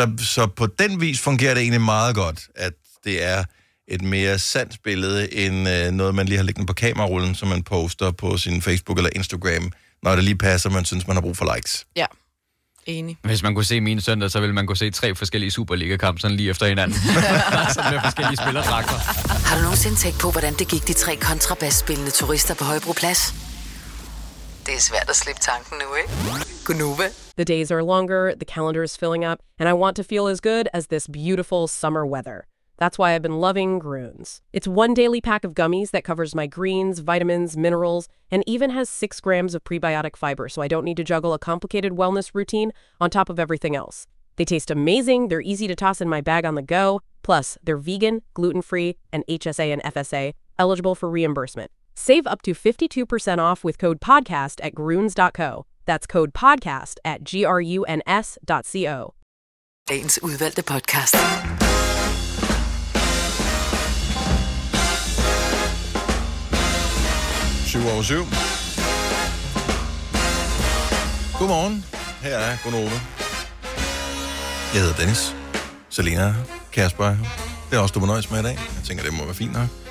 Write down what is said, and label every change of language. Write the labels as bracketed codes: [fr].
[da] Så på den vis fungerer det egentlig meget godt, at det er et mere sandt billede, end noget, man lige har liggende på kamerarullen, som man poster på sin Facebook eller Instagram, når det lige passer, man synes, man har brug for likes. Ja. Enig. Hvis man kunne se mine søndag, så ville man kunne se 3 forskellige Superliga-kamp sådan lige efter hinanden. Sådan med forskellige spillertrakter. Har du nogensinde tænkt på, hvordan det gik de 3 kontrabasspillende turister på Højbroplads? Det er svært at slippe tanken nu, ikke? Gunova. [en] The days are longer, the calendar is filling up, and I want to feel as good as this beautiful summer weather. That's why I've been loving Grunes. It's one daily pack of gummies that covers my greens, vitamins, minerals, and even has 6 grams of prebiotic fiber, so I don't need to juggle a complicated wellness routine on top of everything else. They taste amazing, they're easy to toss in my bag on the go, plus they're vegan, gluten-free, and HSA and FSA, eligible for reimbursement. Save up to 52% off with code PODCAST at Grunes.co. That's code PODCAST at GRUNS.co. [da] Dagens udvalgte podcast. Godmorgen, her er Gunova. Jeg hedder Dennis, Selina, Kasper. Det er også du må nøjes med i dag. Jeg tænker, det må være fint nok.